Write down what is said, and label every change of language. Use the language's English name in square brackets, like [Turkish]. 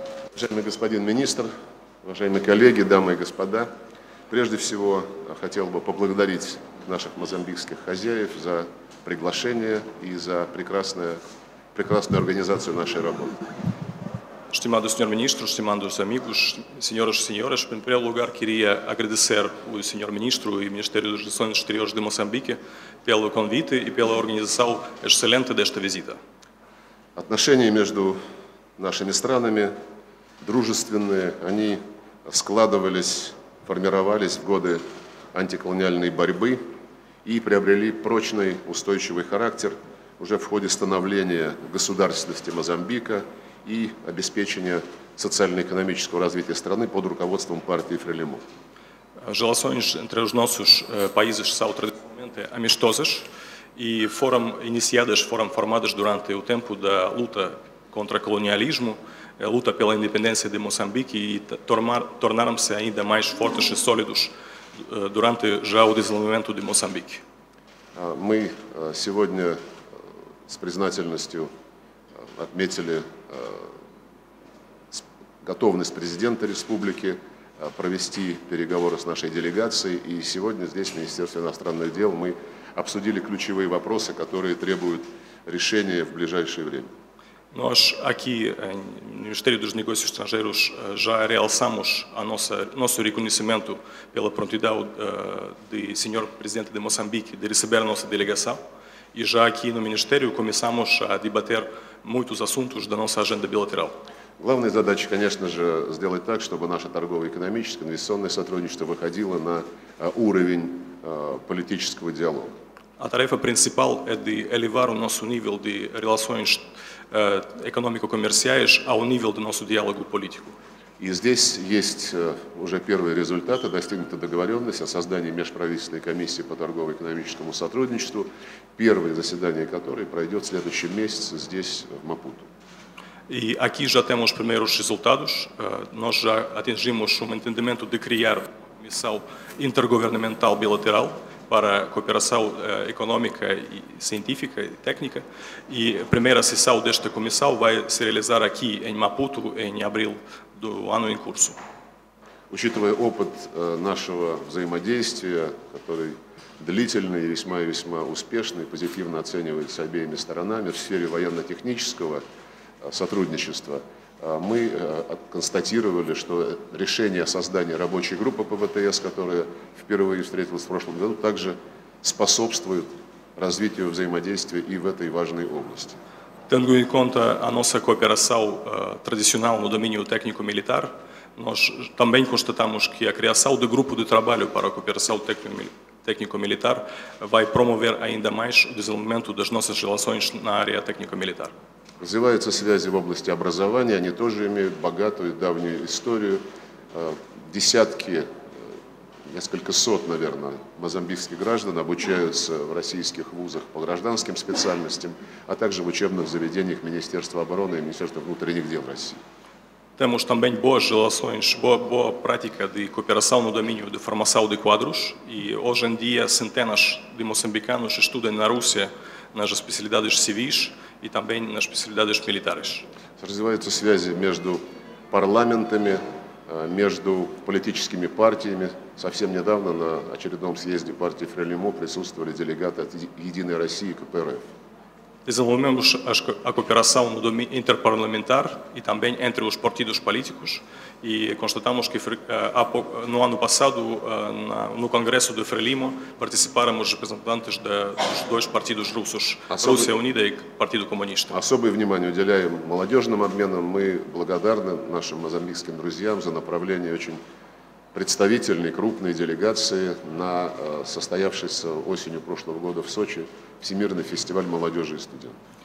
[Russian] Уважаемый господин министр, уважаемые коллеги, дамы и господа, прежде всего хотел бы поблагодарить наших мозамбикских хозяев за приглашение и за прекрасную организацию нашей работы. [Portuguese] Estimado senhor ministro, estimados amigos, senhoras e senhores, em primeiro lugar queria agradecer ao senhor ministro e Ministério das Relações Exteriores de Moçambique pelo convite e pela organização excelente desta visita. [Russian] Отношения между нашими странами дружественные, они складывались, формировались в годы антиколониальной борьбы и приобрели прочный, устойчивый характер уже в ходе становления государственности Мозамбика и обеспечения социально-экономического развития страны под руководством партии Фрелимо. [Portuguese] Relações entre os nossos países são tradicionalmente amistosas e foram iniciadas, foram formadas durante o tempo da luta contra o colonialismo, a luta pela independência de Moçambique e tornaram-se ainda mais fortes e sólidos durante já o desenvolvimento de Moçambique. [Russian] Мы сегодня с признательностью отметили готовность президента республики провести переговоры с нашей делегацией, и сегодня здесь, в Министерстве иностранных дел, мы обсудили ключевые вопросы, которые требуют решения в ближайшее время. [Portuguese] Nós aqui, no Ministério dos Negócios Estrangeiros, já realçamos nosso reconhecimento pela prontidão do senhor presidente de Moçambique de receber a nossa delegação, e já aqui no Ministério começamos a debater muitos assuntos da nossa agenda bilateral. [Russian] Главная задача, конечно же, сделать так, чтобы наше торгово-экономическое, инвестиционное сотрудничество выходило на уровень политического диалога. [Portuguese] A tarefa principal é de elevar o nosso nível de relações econômico-comerciais ao nível do nosso diálogo político. [Russian] И здесь есть уже первые результаты, достигнута договоренность о создании межправительственной комиссии по торгово-экономическому сотрудничеству, первое заседание которой пройдет в следующем месяце здесь, в Мапуту. [Portuguese] E aqui já temos primeiros resultados. Nós já atingimos entendimento de criar uma comissão intergovernamental bilateral para cooperação econômica e científica e técnica. E a primeira sessão desta comissão vai se realizar aqui em Maputo em abril do ano em curso. [Russian] Учитывая опыт нашего взаимодействия, который длительный и весьма успешный, позитивно оценивается обеими сторонами в сфере военно-технического сотрудничества, мы констатировали, что решение о создании рабочей группы по ВТС, которая впервые встретилась в прошлом году, также способствует развитию взаимодействия и в этой важной области. [Portuguese] Tendo em conta a nossa cooperação tradicional no domínio técnico-militar, nós também constatamos que a criação do grupo de trabalho para a cooperação técnico-militar vai promover ainda mais o desenvolvimento das nossas relações na área técnico-militar. [Russian] Развиваются связи в области образования, они тоже имеют богатую и давнюю историю. Десятки, несколько сот, наверное, мозамбикских граждан обучаются в российских вузах по гражданским специальностям, а также в учебных заведениях Министерства обороны и Министерства внутренних дел России. [Portuguese] Temos também boas relações, boa prática de cooperação no domínio de formação de quadros e hoje em dia centenas de moçambicanos estudam na Rússia nas especialidades civis e também nas especialidades militares. [Russian] Развиваются связи между парламентами, между политическими партиями. Совсем недавно на очередном съезде партии Фрелимо присутствовали делегаты от Единой России и КПРФ. [Portuguese] Desenvolvemos a cooperação no domínio interparlamentar e também entre os partidos políticos e constatamos que no ano passado, no Congresso de Frelimo, participaram os representantes dos dois partidos russos, Rússia Unida e Partido Comunista. [Russian] Особое внимание уделяем молодежным обменам. Мы благодарны нашим мозамбикским друзьям за направление очень представительной крупной делегации на состоявшейся осенью прошлого года в Сочи Всемирный фестиваль молодежи и студентов.